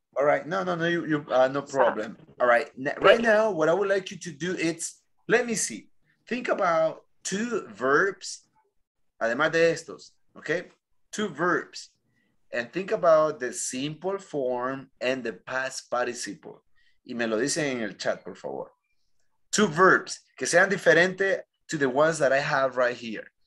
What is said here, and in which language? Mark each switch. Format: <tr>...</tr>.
<en>All right. No. You no problem. All right. Right now, what I would like you to do is, let me see. Think about two verbs,</en> <es>además de estos.</es> <en>Okay. Two verbs, and think about the simple form and the past participle.</en> <es>Y me lo dicen en el chat, por favor.</es> <en>Two verbs,</en> <es>que sean diferente</es> <en>to the ones that I have right here.</en>